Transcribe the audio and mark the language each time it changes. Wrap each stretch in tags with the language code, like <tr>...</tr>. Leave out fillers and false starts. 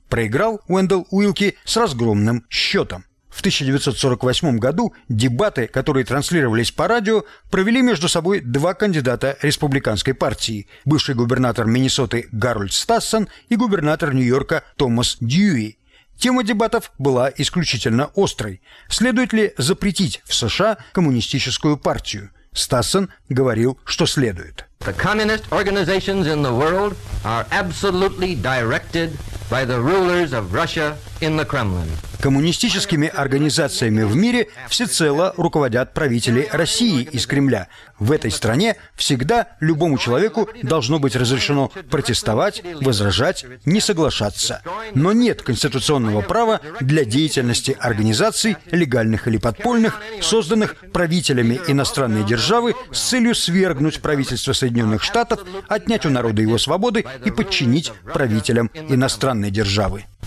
<ru>Проиграл Уэндал Уилки с разгромным счетом. В 1948 году дебаты, которые транслировались по радио, провели между собой 2 кандидата республиканской партии – бывший губернатор Миннесоты Гарольд Стассен и губернатор Нью-Йорка Томас Дьюи. Тема дебатов была исключительно острой. Следует ли запретить в США коммунистическую партию? Стассен говорил, что следует.</ru> <en>The communist organizations in the world are absolutely directed by the rulers of Russia in the Kremlin.</en> <ru>Коммунистическими организациями в мире всецело руководят правители России из Кремля. В этой стране всегда любому человеку должно быть разрешено протестовать, возражать, не соглашаться. Но нет конституционного права для деятельности организаций, легальных или подпольных, созданных правителями иностранной державы с целью свергнуть правительство Соединенных Штатов, отнять у народа его свободы и подчинить правителям иностранной державы.</ru>